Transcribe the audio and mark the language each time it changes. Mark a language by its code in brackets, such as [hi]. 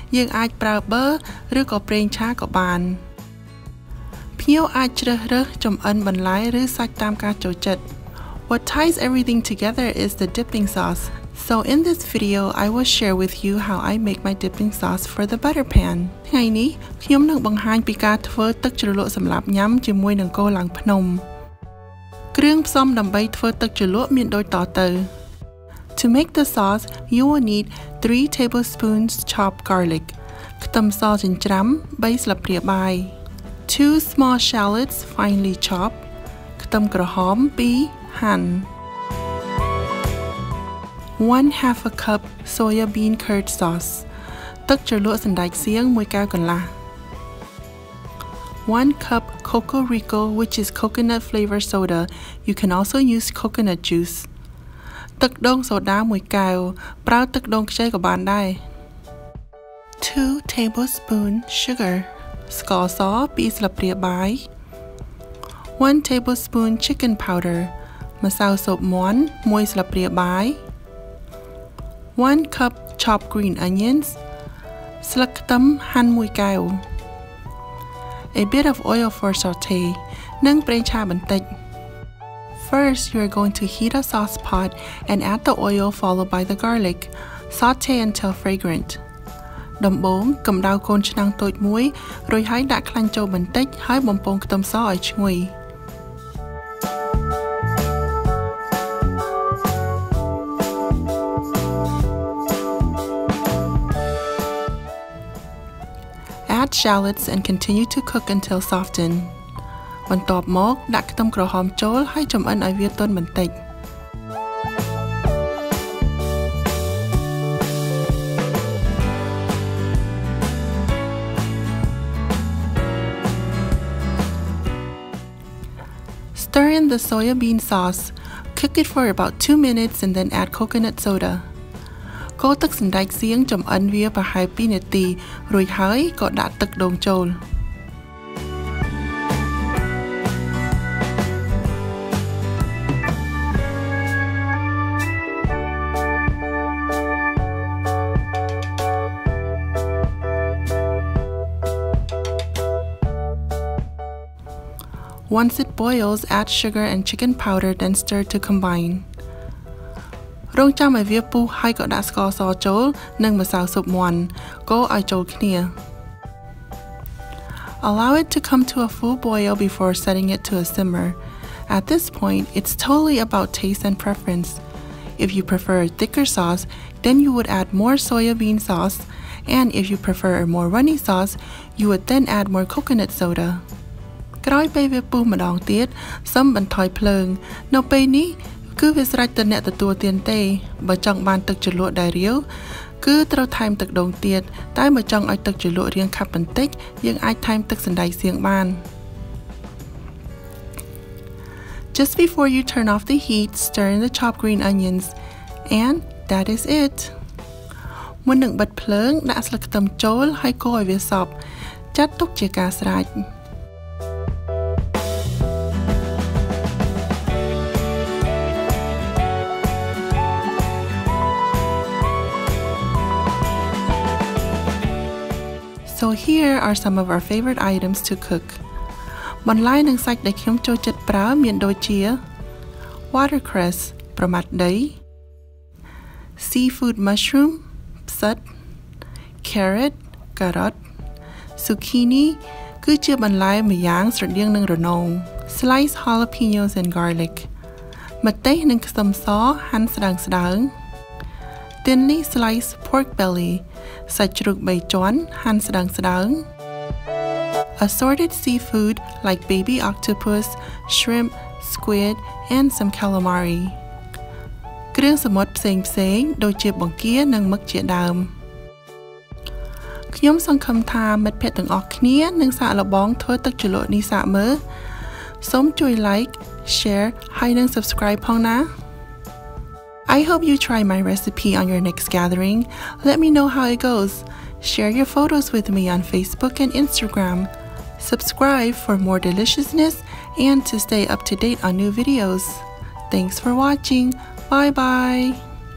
[km] សួស្តីមិត្តភក្តិទាំងអស់គ្នានៅពេលដែលខ្ញុំមានកម្មវិធីជួបជុំមិត្តភក្តិនៅបងប្អូនខ្ញុំចូលចិត្តធ្វើកូឡាំងភ្នំញ៉ាំជុំគ្នាណាវាជាមុខម្ហូបមួយដែលងាយស្រួលក្នុងការធ្វើហើយនឹងរៀបចំរបស់ភក្តិច្រើនយើងអាចត្រៀមទុកជាមុនក៏បានព្រោះអីវានឹងជួយកាត់បន្ថយការមមាញឹកក្នុងថ្ងៃទទួលភ្ញៀវពេលទទួលទានយើងអាចប្រើប៊ឺឬក៏ប្រេងឆាក៏បាន [en] What ties everything together is the dipping sauce. So in this video, I will share with you how I make my dipping sauce for the butter pan. [km] ថ្ងៃ នេះ ខ្ញុំ នឹង បង្ហាញ ពី ការ ធ្វើ ទឹក ជ្រលក់ សម្រាប់ ញ៉ាំ ជាមួយ នឹង កូ ឡើង ភ្នំ. គ្រឿង ផ្សំ ដើម្បី ធ្វើ ទឹក ជ្រលក់ មាន ដូច តទៅ ទៅ. [en] To make the sauce, you will need 3 tablespoons chopped garlic. [km] ខ្ទឹម សចិញ្ច្រាំ 3 ស្លាបព្រា បាយ. [en] 2 small shallots finely chopped, [km] ខ្ទឹម ក្រហម 2 hun. [en] 1 half a cup soya bean curd sauce, [km] ទឹក ជ្រលក់ សណ្ដែក សៀង 1 កែវ កន្លះ. [en] 1 cup coco rico, which is coconut flavor soda, you can also use coconut juice. [km] ទឹក ដូង សូដា 1 កែវ, ប្រើ ទឹក ដូង ខ្ចី ក៏ បាន ដែរ. [en] 2 tablespoons sugar, [km] ស្ករ ស 2 ស្លាបព្រា បាយ. [en] 1 tablespoon chicken powder, [km] ម្សៅ សូប មាន 1 ស្លាបព្រា បាយ. [en] 1 cup chopped green onions, [km] ស្លឹក ខ្ទឹម ហាន់ 1 កែវ. [en] A bit of oil for saute, [km] និង ប្រេង ឆា បន្តិច. [en] First, you are going to heat a sauce pot and add the oil followed by the garlic. Saute until fragrant. [km] ដំបូង កម្ដៅ កូន ឆ្នាំង តូច មួយ រួច ហើយ ដាក់ ខ្លាញ់ ចូល បន្តិច ហើយ បំពង ខ្ទឹម ស ឲ្យ ឈ្ងុយ. [en] Add shallots and continue to cook until softened. [km] បន្ទាប់ មក ដាក់ ខ្ទឹម ក្រហម ចូល ហើយ ចម្អិន ឲ្យ វា ទន់ បន្តិច. [en] Stir in the soya bean sauce. Cook it for about 2 minutes and then add coconut soda. [km] កូរ ទឹក សណ្ដែក សៀង ចម្អិន វា ប្រហែល 2 នាទី រួច ហើយ ក៏ ដាក់ ទឹក ដូង ចូល. [en] Once it boils, add sugar and chicken powder, then stir to combine. [km] រង់ចាំ ឲ្យ វា ពុះ ហើយ ក៏ ដាក់ ស្ករ ស ចូល និង ម្សៅ ស៊ុប មាន់ កូរ ឲ្យ ចូល គ្នា. [en] Allow it to come to a full boil before setting it to a simmer. At this point, it's totally about taste and preference. If you prefer a thicker sauce, then you would add more soybean sauce. And if you prefer a more runny sauce, you would then add more coconut soda. [km] ក្រោយ ពេល វា ពុះ ម្ដង ទៀត សូម បន្ថយ ភ្លើង នៅ ពេល នេះ គឺ វា ស្រេច ទៅ អ្នក ទទួល ទាន ទេ បើ ចង់ បាន ទឹក ជ្រលក់ ដែល រាវ គឺ ត្រូវ ថែម ទឹក ដូង ទៀត តែ បើ ចង់ ឲ្យ ទឹក ជ្រលក់ រាង ខាប់ បន្តិច យើង អាច ថែម ទឹក សណ្ដែក សៀង បាន [en] Just before you turn off the heat, stir in the chopped green onions. And that is it. [km] មុន នឹង បិត ភ្លើង ដាក់ ស្លឹក ខ្ទឹម ចូល ហើយ កូរ ឲ្យ វា សព្វ ចាត់ ទុក ជា ការ ស្រេច [en] So here are some of our favorite items to cook. [km] បន្លែ និង សាច់ ដែល ខ្ញុំ ចូល ចិត្ត ប្រើ មាន ដូច ជា watercress ប្រមាត់ ដី [en] seafood mushroom [km] ផ្សិត carrot ការ៉ុត zucchini គឺ ជា បន្លែ ម្យ៉ាង ស្រដៀង នឹង រណង [en] slice jalapenos and garlic [km] ម្ទេស និង ខ្ទឹម ស ហាន់ ស្តើង ស្តើង [en] thinly slice pork belly [km] សាច់ ជ្រូក 3 ជាន់ ហាន់ ស្តើង ស្តើង [en] assorted seafood like baby octopus, shrimp, squid, and some calamari. [km] គ្រឿង សមុទ្រ ផ្សេងៗ ដូច ជា បង្គា និង មឹក ជា ដើម ខ្ញុំ សង្ឃឹម ថា មិត្តភក្តិ ទាំង អស់ គ្នា នឹង សាក ល្បង ធ្វើ ទឹក ជ្រលក់ នេះ សាក មើល សូម ជួយ like, share, ហើយ និង subscribe ផង ណា [en] I hope you try my recipe on your next gathering. Let me know how it goes. Share your photos with me on Facebook and Instagram. Subscribe for more deliciousness and to stay up to date on new videos. Thanks for watching. Bye-bye.